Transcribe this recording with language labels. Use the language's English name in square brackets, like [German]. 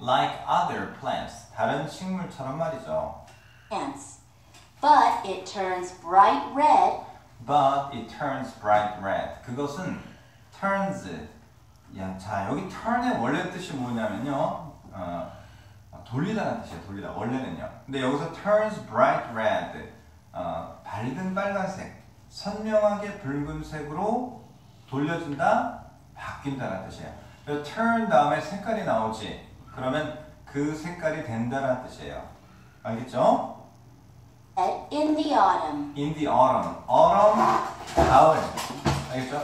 [English] Like other plants. [Korean] 다른 식물처럼 말이죠. [English] But it turns bright red. But it turns bright red. 그것은 turns. [Korean] 야, 자, 여기 turn의 원래 뜻이 뭐냐면요. 돌리다라는 뜻이에요. 돌리다. 원래는요. 근데 여기서 [English] turns bright red. [Korean] 밝은 빨간색. 선명하게 붉은색으로 돌려준다. 바뀐다라는 뜻이에요. 그래서 turn 다음에 색깔이 나오지. 그러면 그 색깔이 된다라는 뜻이에요. 알겠죠? [English] In the autumn. In the autumn. Autumn, 가을. [Korean] 알겠죠?